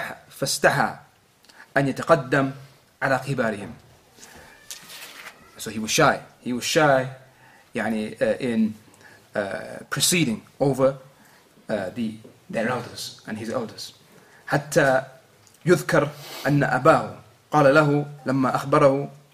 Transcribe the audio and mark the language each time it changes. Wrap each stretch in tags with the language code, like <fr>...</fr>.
<ar>فاستحى أن يتقدم على قبارهم.</ar> <en>So he was shy. He was shy, يعني in proceeding over their elders and his elders.</en> <ar>حتى يذكر أن أباه قال له لما أخبره.</ar>